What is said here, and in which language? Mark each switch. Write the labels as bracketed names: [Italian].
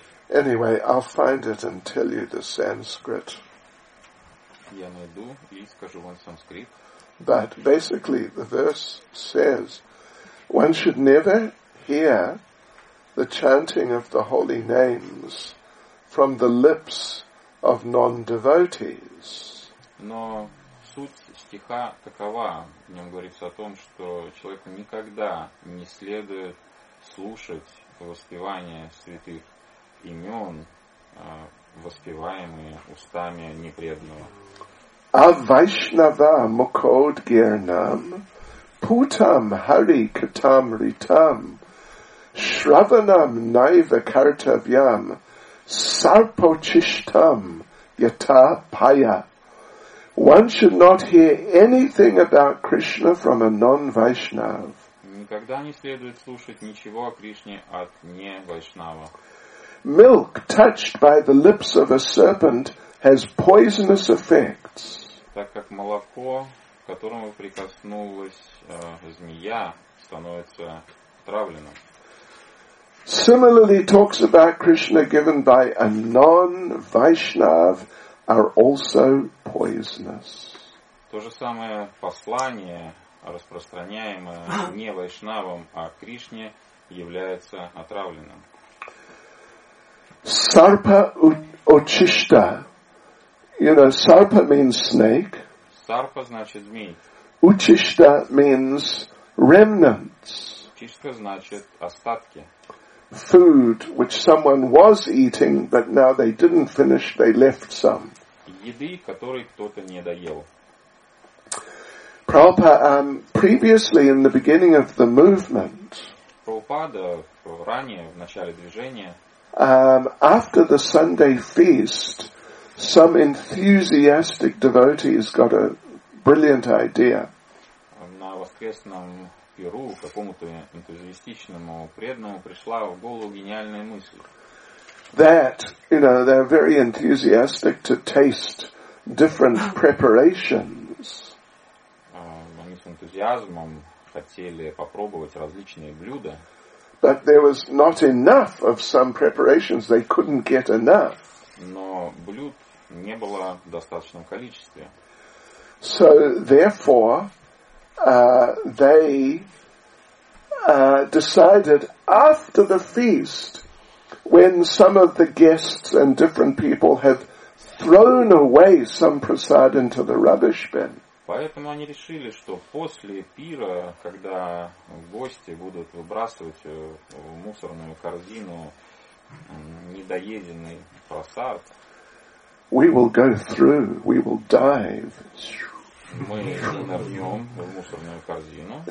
[English] Anyway, I'll find it and tell you the Sanskrit. [Russian] Я найду и скажу вам санскрит. [English] But basically, the verse says, one should never hear the chanting of the holy names from the lips of non-devotees. [Russian] Но суть стиха такова. В нем говорится о том, что человеку никогда не следует слушать воспевание святых имен, воспеваемые устами непреданного. [Sanskrit] Avaishnava mukod girnam putam hari katam ritam shravanam naiva kartavyam sarpochishtam yata paya. [English] One should not hear anything about Krishna from a non-Vaishnav. [Russian] Никогда не следует слушать ничего о Кришне от не Вайшнава. [English] Milk touched by the lips of a serpent has poisonous effects. [Russian] Так как молоко, к которому прикоснулась змея, становится отравленным. [English] Similarly, talks about Krishna given by a non-Vaishnav are also poisonous. [Russian] То же самое послание, распространяемое не Вайшнавом, а Кришне, является отравленным. [English] Sarpa uchishta. You know, sarpa means snake. [Russian] Sarpa значит змей. [English] Uchishta means remnants. [Russian] Uchishta значит остатки. [English] Food which someone was eating, but now they didn't finish, they left some. [Russian] Еды, которой кто-то не доел. [English] Prabhupada, previously in the beginning of the movement. [Russian] Prabhupada ранее, в начале движения. [English] After the Sunday feast, some enthusiastic devotees got a brilliant idea. [Russian] На воскресном пиру какому-то энтузиастичному преданному пришла в голову гениальная мысль. [English] That, you know, they're very enthusiastic to taste different preparations. [Russian] Они с энтузиазмом хотели попробовать различные блюда. [English] But there was not enough of some preparations. They couldn't get enough. [Russian] Но блюд не было в достаточном количестве. [English] So, therefore, they decided after the feast, when some of the guests and different people have thrown away some prasad into the rubbish bin. [Russian] Поэтому они решили, что после пира, когда гости будут выбрасывать в мусорную корзину недоеденный просад, [English] we will go through, we will dive. [Russian] Мы нырнем в мусорную корзину.